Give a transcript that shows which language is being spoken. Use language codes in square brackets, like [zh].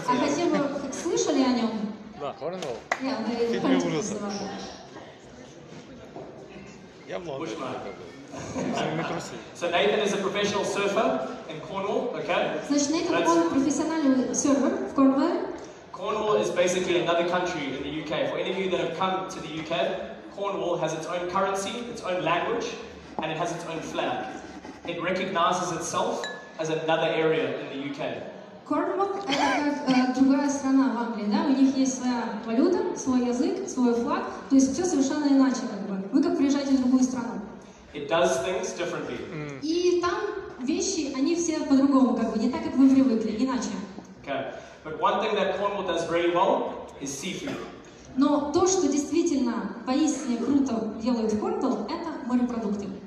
[ru] А хотя бы слышали о нем? Да, Корнуолл. Нет, мы ужасно. Я в Лондоне. [en] So Nathan is a professional surfer in Cornwall, okay? [ru] Значит, Nathan, он профессиональный сервер в Корнуолле. [en] Cornwall is basically another country in the UK. For any of you that have come to the UK, Cornwall has its own currency, its own language, and it has its own flag. It recognizes itself as another area in the UK. Cornwall is [ru] другая страна в Англии, да? У них есть своя валюта, свой язык, свой флаг. То есть все совершенно иначе, как бы. Вы как приезжаете в другую страну? [en] It does things differently. [ru] И там вещи, они все по-другому, как бы, не так, как вы привыкли, иначе. [en] Okay. But one thing that Cornwall does very well is seafood. [ru] Но то, что действительно поистине круто делает Cornwall, это морепродукты.